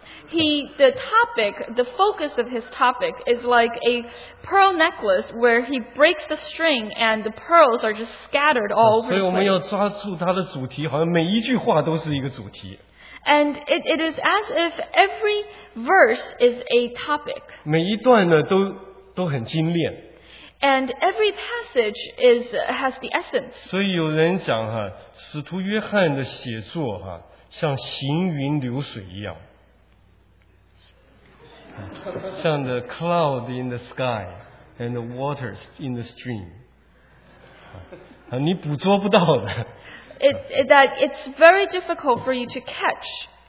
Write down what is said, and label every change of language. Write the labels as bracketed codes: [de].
[en] the topic, the focus of his topic is like a pearl necklace where he breaks the string and the pearls are just scattered all over. [zh] 所以我们要抓住他的主题, 好像每一句话都是一个主题。 [en] And it is as if every verse is a topic. [zh] 每一段呢, 都很精炼。 [en] And every passage has the essence. [zh] 所以有人讲哈, 使徒约翰的写作哈, 像行云流水一样。像 [en] the cloud in the sky and the waters in the stream. [zh] 你捕捉不到的。 [en] It's very difficult for you to catch.